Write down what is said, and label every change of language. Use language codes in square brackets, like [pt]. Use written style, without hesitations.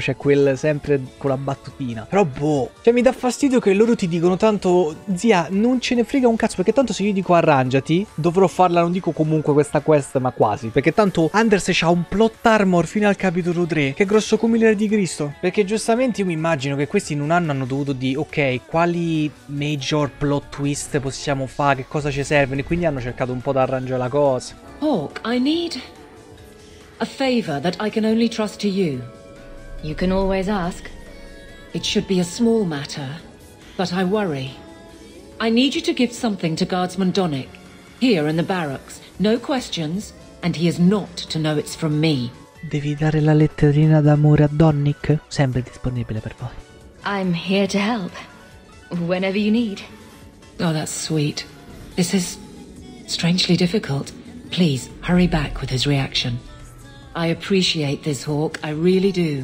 [it] Cioè quel sempre con la battutina. Però boh, cioè mi dà fastidio che loro ti dicono tanto, zia, non ce ne frega un cazzo, perché tanto se io dico arrangiati dovrò farla, non dico comunque questa quest, ma quasi, perché tanto Anders c'ha un plot armor fino al capitolo 3 che è grosso come l'era di Cristo. Perché giustamente io mi immagino che questi in un anno hanno dovuto di ok, quali [en] major plot twist [it] possiamo fare, che cosa ci servono, e quindi hanno cercato un po' di arrangiare la cosa. [en] Hawk, I need a favor that I can only trust to you. You can always ask. It should be a small matter, but I worry. I need you to give something to Guardsman Donick here in the barracks. No questions, and he is not to know it's from me. [it] Devi dare la letterina d'amore a Donick, sempre disponibile per voi. [en] I'm here to help, whenever you need. Oh, that's sweet. This is strangely difficult. Please, hurry back with his reaction. I appreciate this, Hawk, I really do.